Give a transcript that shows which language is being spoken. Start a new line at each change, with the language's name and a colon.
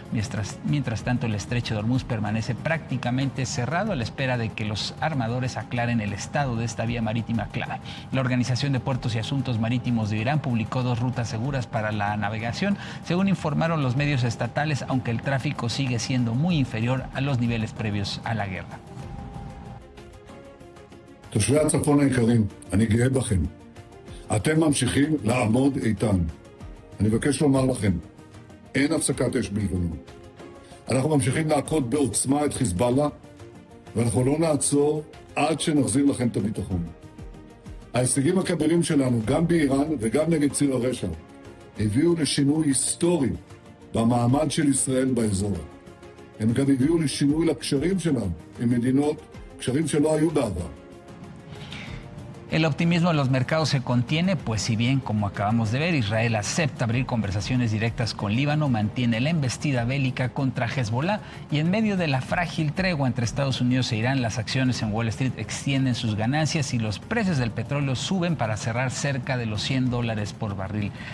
Spanish: Mientras tanto, el estrecho de Hormuz permanece prácticamente cerrado a la espera de que los armadores aclaren el estado de esta vía marítima clave. La Organización de Puertos y Asuntos Marítimos de Irán publicó 2 rutas seguras para la navegación, según informaron los medios estatales, aunque el tráfico sigue siendo muy inferior a los niveles previos a la guerra.
Hebrew: תושבי הצפון היקרים, אני גאה בכם. אתם ממשיכים לעמוד איתן. אני מבקש לומר לכם, אין הפסקת אש בלבנון. אנחנו ממשיכים לעקוד בעוצמה את חיזבאללה, ואנחנו לא נעצור עד שנחזיר לכם את הביטחון. ההישגים הכבירים שלנו, גם באיראן וגם נגד ציר הרשע, הביאו לשינוי היסטורי במעמד של ישראל באזור. הם גם הביאו לשינוי לקשרים שלנו עם מדינות, קשרים שלא היו בעבר.
Spanish: El optimismo en los mercados se contiene, pues si bien, como acabamos de ver, Israel acepta abrir conversaciones directas con Líbano, mantiene la embestida bélica contra Hezbollah y en medio de la frágil tregua entre Estados Unidos e Irán, las acciones en Wall Street extienden sus ganancias y los precios del petróleo suben para cerrar cerca de los $100 por barril.